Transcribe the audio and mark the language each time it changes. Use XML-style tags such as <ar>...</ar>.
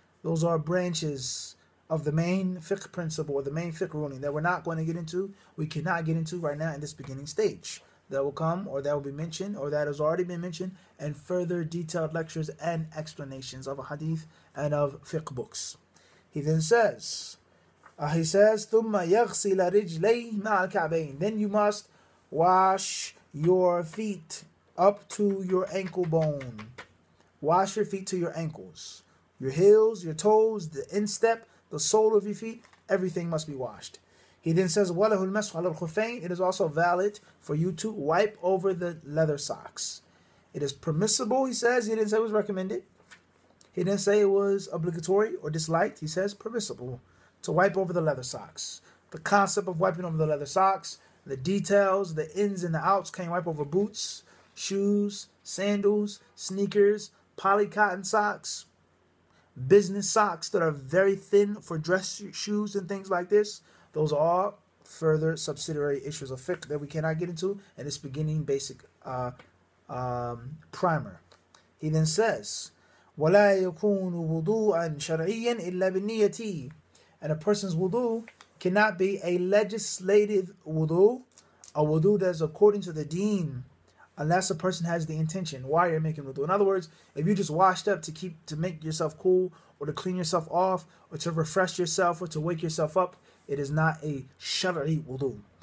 <en>Those are branches of the main fiqh principle or the main fiqh ruling that we're not going to get into, we cannot get into right now in this beginning stage. That will come, or that will be mentioned, or that has already been mentioned, and further detailed lectures and explanations of a hadith and of fiqh books. He then says,</en> <ar>ثُمَّ يَغْسِلَ رِجْلَيْهِ مَعَ الْكَعْبَيْنِ.</ar> <en>Then you must wash your feet up to your ankle bone. Wash your feet to your ankles. Your heels, your toes, the instep, the sole of your feet, everything must be washed. He then says,</en> <ar>وَلَهُ الْمَسْحُ عَلَى الْخُفَيْنِ.</ar> <en>It is also valid for you to wipe over the leather socks. It is permissible, he says. He didn't say it was recommended. He didn't say it was obligatory or disliked. He says permissible to wipe over the leather socks. The concept of wiping over the leather socks, the details, the ins and the outs, can you wipe over boots, shoes, sandals, sneakers, polycotton socks, business socks that are very thin for dress shoes and things like this. Those are all further subsidiary issues of fiqh that we cannot get into in this beginning basic primer. He then says,</en> <ar>وَلَا يَكُونُ وُضُوءًا شَرْعِيًّا إِلَّا بِالنِّيَّةِ.</ar> <en>And a person's wudu cannot be a legislative wudu, a wudu that is according to the deen, unless a person has the intention why you're making wudu. In other words, if you just washed up to make yourself cool or to clean yourself off or to refresh yourself or to wake yourself up, it is not a shar'i wudu.</en>